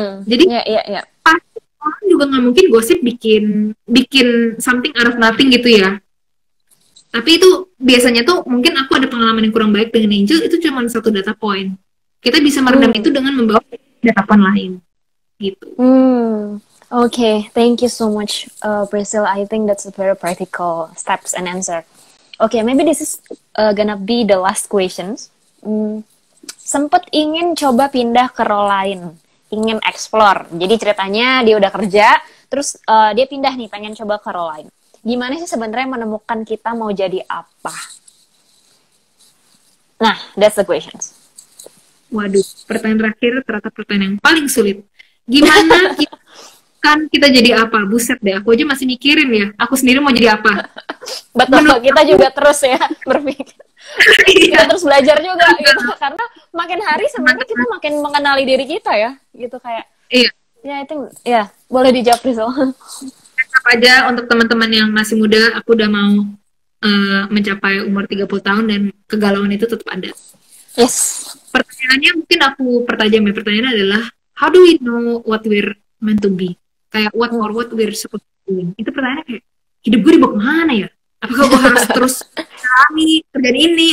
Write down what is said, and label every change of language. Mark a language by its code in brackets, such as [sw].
[id] Jadi pasti orang juga gak mungkin gosip bikin [en] something out of nothing [id] gitu ya. Tapi itu biasanya tuh mungkin aku ada pengalaman yang kurang baik dengan Angel, itu cuma satu data point. Kita bisa meredam itu dengan membawa data point lain gitu. [en] Okay, thank you so much, Brazil. I think that's a very practical steps and answer. Okay, maybe this is gonna be the last questions. [id] Sempet ingin coba pindah ke role lain, ingin explore. Jadi ceritanya dia udah kerja, terus dia pindah nih, pengen coba ke role lain. Gimana sih sebenarnya menemukan kita mau jadi apa? [en] Nah, that's the questions. [id] Waduh, pertanyaan terakhir ternyata pertanyaan yang paling sulit. Gimana kan kita jadi apa? Buset deh, aku aja masih mikirin ya. Aku sendiri mau jadi apa? Betul, kita juga terus ya berpikir. Kita terus belajar juga gitu. Karena makin hari sebenarnya kita makin mengenali diri kita ya. Gitu kayak. Iya. Ya, itu ya, boleh dijawab Rizal. Apa aja untuk teman-teman yang masih muda, aku udah mau mencapai umur 30 tahun dan kegalauan itu tetap ada. [en] Yes. [id] Pertanyaannya mungkin aku pertajam ya. Pertanyaannya adalah, [en] how do we know what we're meant to be? Kayak what or what we're supposed to be? [id] Itu pertanyaannya kayak, hidup gue dibawa kemana ya? Apakah gue harus terus mengalami kerjaan ini?